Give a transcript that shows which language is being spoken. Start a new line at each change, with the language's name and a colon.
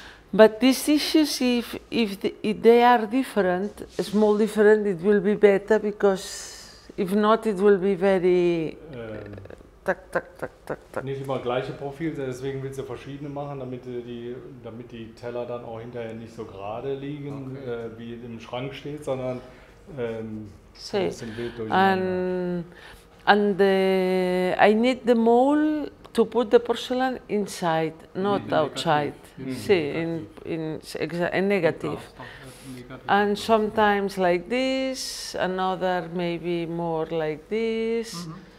English: But these dishes, if they are different, small different, it will be better, because if not, it will be very. Tak, tak, tak, tak, tak.
German: Nicht immer gleiche Profil, deswegen willst du verschiedene machen, damit die Teller dann auch hinterher nicht so gerade liegen, wie im Schrank steht, sondern ein bisschen wild durcheinander.
English: And I need the mold to put the porcelain inside, not outside. Negative. And sometimes like this, another maybe more like this. Mm-hmm.